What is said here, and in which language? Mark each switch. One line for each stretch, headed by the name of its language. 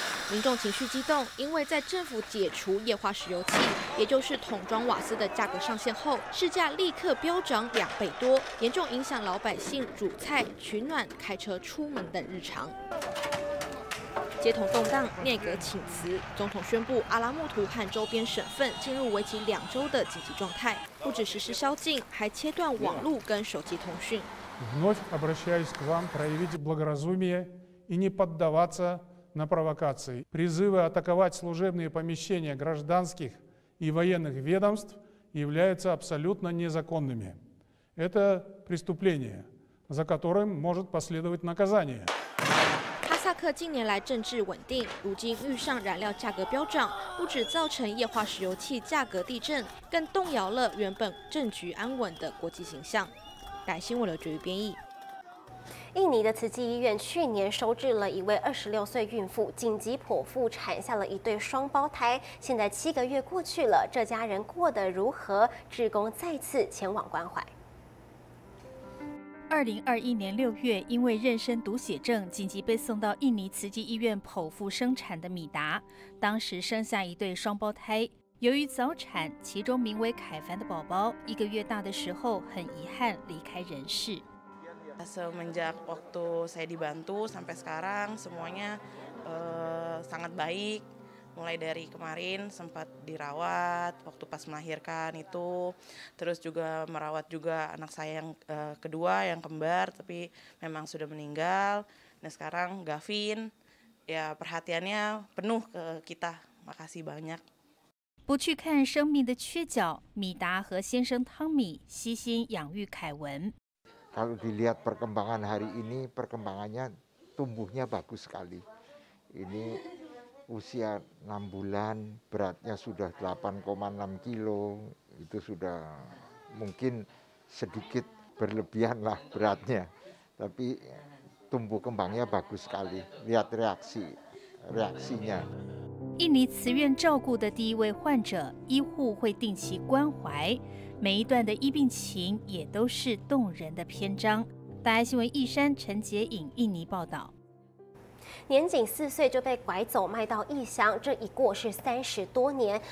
Chinese: 民众情绪激动，因为在政府解除液化石油气，也就是桶装瓦斯的价格上限后，市价立刻飙涨两倍多，严重影响老百姓煮菜、取暖、开车出门等日常。街头动荡，内阁请辞，总统宣布阿拉木图和周边省份进入为期两周的紧急状态，不只实施宵禁，还切断网络跟手机通讯。
Russian: Вновь обращаюсь к вам проявить благоразумие и не поддаваться на провокации. Призывы атаковать служебные помещения гражданских и военных ведомств являются абсолютно незаконными. Это преступление, за которым может последовать наказание.
Chinese: 哈萨克近年来政治稳定，如今遇上燃料价格飙涨，不止造成液化石油气价格地震，更动摇了原本政局安稳的国际形象。感谢我的绝育编译。印尼的慈济医院去年收治了一位26岁孕妇，紧急剖腹产下了一对双胞胎。现在7个月过去了，这家人过得如何？志工再次前往关怀。 2021年6月，因为妊娠毒血症，紧急被送到印尼慈济医院剖腹生产的米达，当时生下一对双胞胎。由于早产，其中名为凯凡的宝宝1个月大的时候，很遗憾离开人世。
Indonesian: Semenjak waktu saya dibantu sampai sekarang semuanya sangat baik. Mulai dari kemarin sempat dirawat waktu pas melahirkan itu, terus juga merawat juga anak saya yang kedua yang kembar tapi memang sudah meninggal. Nah sekarang Gavin, ya perhatiannya penuh ke kita. Makasih banyak.
Chinese: 不去看生命的缺角，米达和先生汤米悉心养育凯文。
Indonesian: Kalau dilihat perkembangan hari ini, perkembangannya tumbuhnya bagus sekali. Ini usia 6 bulan, beratnya sudah 8,6 kilo, itu sudah mungkin sedikit berlebihan lah beratnya. Tapi tumbuh kembangnya bagus sekali. Lihat reaksinya.
Chinese: 印尼慈院照顾的第一位患者，医护会定期关怀，每一段的医病情也都是动人的篇章。大爱新闻义山陈杰颖印尼报道。年仅4岁就被拐走卖到异乡，这已过是30多年。